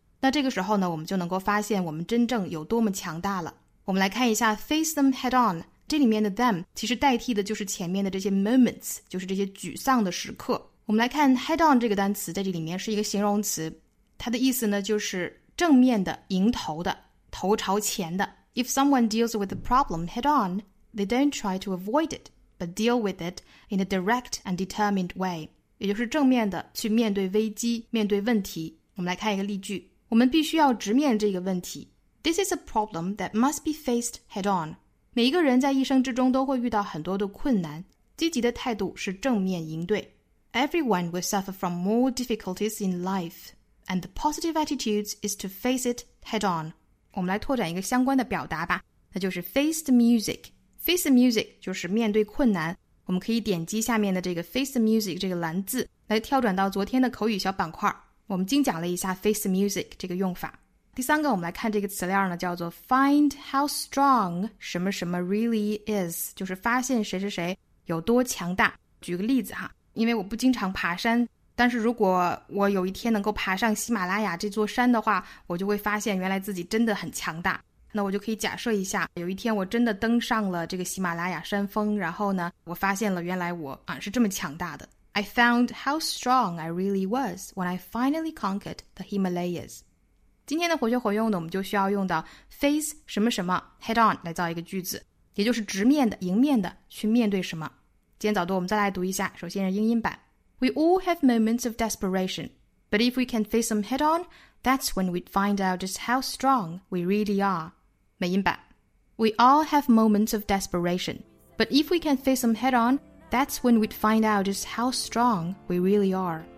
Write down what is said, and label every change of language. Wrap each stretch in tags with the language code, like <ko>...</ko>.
<zh>那这个时候呢，我们就能够发现我们真正有多么强大了。我们来看一下</zh> <en>face them head on，</en> <zh>这里面的 them 其实代替的就是前面的这些 moments， 就是这些沮丧的时刻。我们来看 head on 这个单词，在这里面是一个形容词，它的意思呢就是正面的，迎头的，头朝前的。</zh> <en>If someone deals with the problem head on, they don't try to avoid it, but deal with it in a direct and determined way.</en> <zh>也就是正面的去面对危机，面对问题。我们来看一个例句，我们必须要直面这个问题。</zh> <en>This is a problem that must be faced head on.</en> <zh>每一个人在一生之中都会遇到很多的困难，积极的态度是正面应对。</zh> <en>Everyone will suffer from more difficulties in life, and the positive attitude is to face it head on.</en> <zh>我们来拓展一个相关的表达吧，那就是</zh> <en>face the music。 face the music</en> <zh>就是面对困难，我们可以点击下面的这个 face the music 这个蓝字来跳转到昨天的口语小板块，我们精讲了一下 face the music 这个用法。第三个我们来看这个词链呢，叫做</zh> <en>find how strong</en> <zh>什么什么 really is， 就是发现谁谁谁有多强大。举个例子哈，因为我不经常爬山，但是如果我有一天能够爬上喜马拉雅这座山的话，我就会发现原来自己真的很强大。那我就可以假设一下，有一天我真的登上了这个喜马拉雅山峰，然后呢，我发现了原来我啊是这么强大的。</zh> <en>I found how strong I really was when I finally conquered the Himalayas.</en> <zh>今天的活学活用呢，我们就需要用到 face 什么什么 head on 来造一个句子，也就是直面的，迎面的去面对什么。今天早读我们再来读一下，首先是英音版。</zh> <en>We all have moments of desperation, but if we can face them head on, that's when we'd find out just how strong we really are.</en> <zh>美音版。</zh> <en>We all have moments of desperation, but if we can face them head on, that's when we'd find out just how strong we really are.</en>